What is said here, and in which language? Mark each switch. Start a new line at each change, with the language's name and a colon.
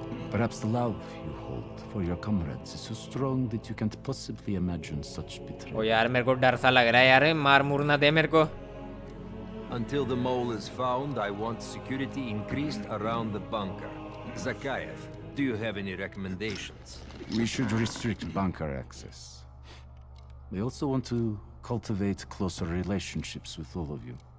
English: Perhaps the love you hold for your comrades is so strong that you can't possibly imagine such betrayal.
Hindi: ओ यार मेरे को डर सा लग रहा है यार, मार मुर ना दे मेरे को।
English: Until the mole is found, I want security increased around the bunker. Zakhaev, do you have any recommendations? We should restrict bunker access. We also want to cultivate closer relationships with all of you.